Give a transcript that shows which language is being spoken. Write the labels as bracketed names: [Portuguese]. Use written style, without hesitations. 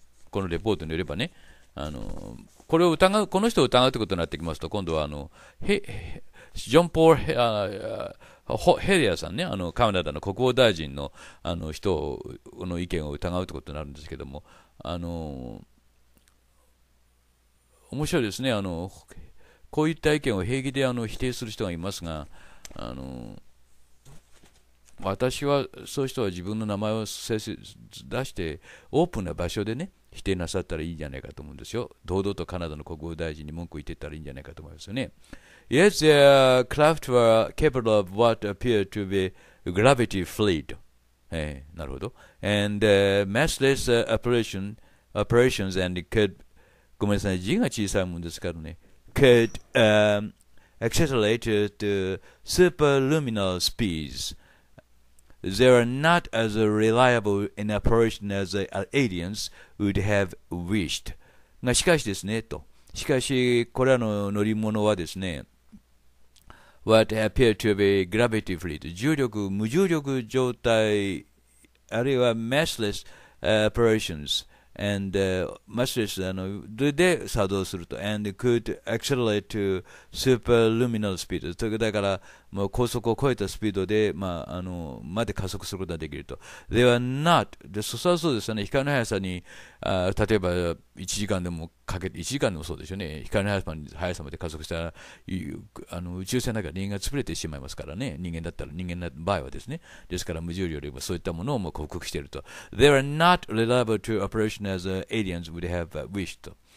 [Japanese] このレポートによればね、これを疑う、この人を疑うということになってきますと、今度はジョン・ポール・ヘリアさんね、カナダの国防大臣 の, あの人の意見を疑うということになるんですけども、面白いですね、こういった意見を平気で否定する人がいますが、私はそういう人は自分の名前を出してオープンな場所でね否定なさったらいいんじゃないかと思うんですよ。堂々とカナダの国防大臣に文句を言ってたらいいんじゃないかと思いますよね。 [English] Yes, their craft were capable of what appeared to be gravity fleet. [Japanese] なるほど。 [English] And massless operations and could, [Japanese] ごめんなさい、字が小さいもんですからね。 [English] Could accelerate to superluminal speeds. They are not as reliable in operation as the aliens would have wished. [Japanese] がしかしですね、と。しかし、これらの乗り物はですね、 [English] What appeared to be gravity fleet. [Japanese] 重力、無重力状態、あるいは [English] massless operations, and massless, [Japanese] で作動すると。 [English] And could accelerate to superluminal speed. [Japanese] というか、だから、もう高速を超えたスピードで、まあ、まで加速することができると。 [English] They are not. [Japanese] で、そうそうですよね。光の速さに、例えば、1時間でもかけて、1時間でもそうですよね。光の速さまで加速したら、宇宙船だから人間が潰れてしまいますからね。人間だったら、人間の場合はですね。ですから、無重力よりもそういったものをもう克服していると。 [English] They are not reliable to operation as aliens would have wished.